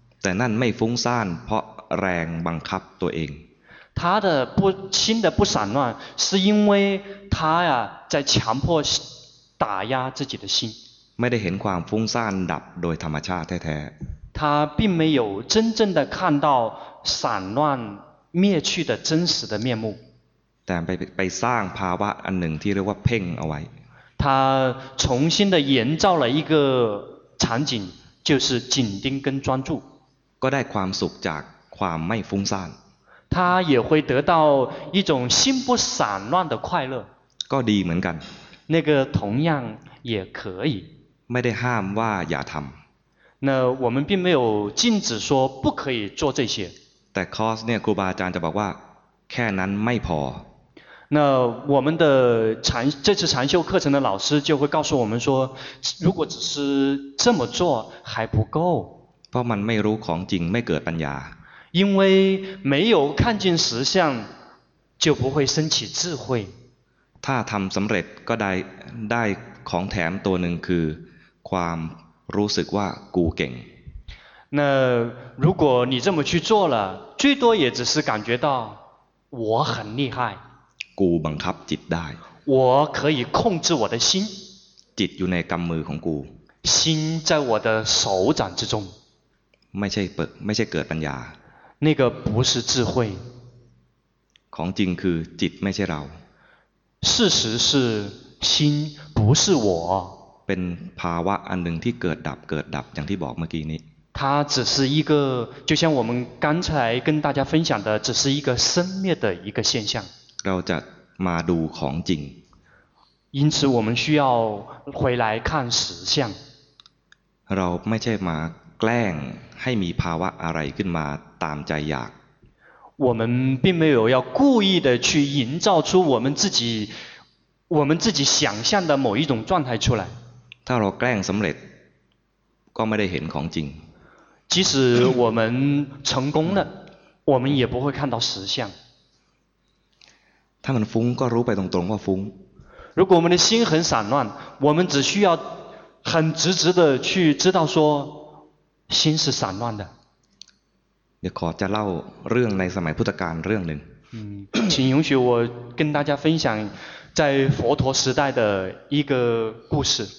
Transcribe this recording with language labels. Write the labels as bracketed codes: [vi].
[th] แต่นั่นไม่ฟุ้งซ่านเพราะแรงบังคับตัวเอง [zh] 他的不心的不散乱，是因为他呀在强迫打压自己的心。 [th] ไม่ได้เห็นความฟุ้งซ่านดับโดยธรรมชาติแท้ [zh] ๆ他并没有真正的看到散乱灭去的真实的面目。 [th] แต่ไปสร้างภาวะอันหนึ่งที่เรียกว่าเพ่งเอาไว้。 [zh] 他重新的营造了一个场景，就是紧盯跟专注。 [th] ก็ได้ความสุขจากความไม่ฟุ้งซ่าน。 [zh] 他也会得到一种心不散乱的快乐。 [th] ก็ดีเหมือนกัน。 [zh] 那个同样也可以。 [th] ไม่ได้ห้ามว่าอย่าทำ。 [zh] 那我们并没有禁止说不可以做这些。 [th] แต่คอร์สเนี่ยครูบาอาจารย์จะบอกว่าแค่นั้นไม่พอ [zh] 那我们的禅这次禅修课程的老师就会告诉我们说如果只是这么做还不够 [th] เพราะมันไม่รู้ของจริงไม่เกิดปัญญา [zh] 因为没有看见实相就不会升起智慧 [th] ถ้าทำสำเร็จก็ได้ของแถมตัวหนึ่งคือความรู้สึกว่ากูเก่ง [zh] 那如果你这么去做了最多也只是感觉到我很厉害 [th] กูบังคับจิตได้ [zh] 我可以控制我的心 [th] จิตอยู่ในกำมือของกู [zh] 心在我的手掌之中 [th] ไม่ใช่เกิดปัญญา [zh] 那个不是智慧 [th] ของจริงคือจิตไม่ใช่เรา [zh] 事实是心不是我 [th] เป็นภาวะอันหนึ่งที่เกิดดับอย่างที่บอกเมื่อกี้นี้ [zh] 它只是一个，就像我们刚才跟大家分享的，只是一个生灭的一个现象。 [th] เราจะมาดูของจริง。 [zh] 因此，我们需要回来看实相。 [th] เราไม่ใช่มาแกล้งให้มีภาวะอะไรขึ้นมาตามใจอยาก。 [zh] 我们并没有要故意的去营造出我们自己想象的某一种状态出来。 [th] ถ้าเราแกล้งสำเร็จก็ไม่ได้เห็นของจริง。 [zh] 即使我们成功了，我们也不会看到实相。他们疯， [th] ก็รู้ไปตรงๆว่าฟุ้ง。 [zh] 如果我们的心很散乱，我们只需要很直直的去知道说心是散乱的。 [th] เดี๋ยวขอจะเล่าเรื่องในสมัยพุทธกาลเรื่องหนึ่ง。 [zh] 请允许我跟大家分享在佛陀时代的一个故事。